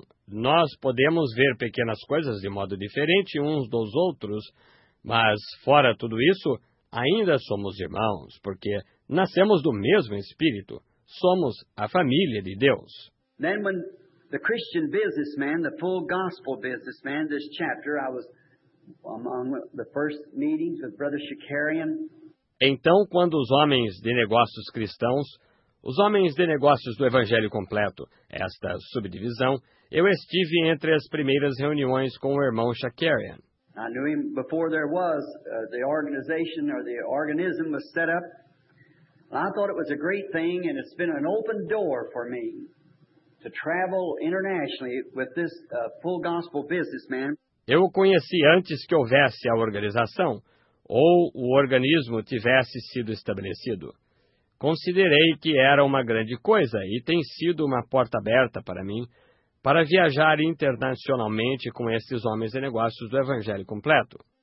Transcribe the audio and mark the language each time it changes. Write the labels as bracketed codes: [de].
[pt] Nós podemos ver pequenas coisas de modo diferente uns dos outros, mas fora tudo isso, ainda somos irmãos, porque nascemos do mesmo Espírito. Somos a família de Deus. [en] Then when the Christian businessman, the full gospel businessman, this chapter, I was among the first meetings with Brother Shakarian. [pt] Então, quando os homens de negócios cristãos, os homens de negócios do Evangelho Completo, esta subdivisão, eu estive entre as primeiras reuniões com o irmão Shakarian. [en] I knew him before there was the organization or the organism was set up. I thought it was a great thing, and it's been an open door for me to travel internationally with this full gospel businessman. [pt] Eu o conheci antes que houvesse a organização ou o organismo tivesse sido estabelecido. Considerei que era uma grande coisa e tem sido uma porta aberta para mim para viajar internacionalmente com esses homens de negócios do Evangelho Completo.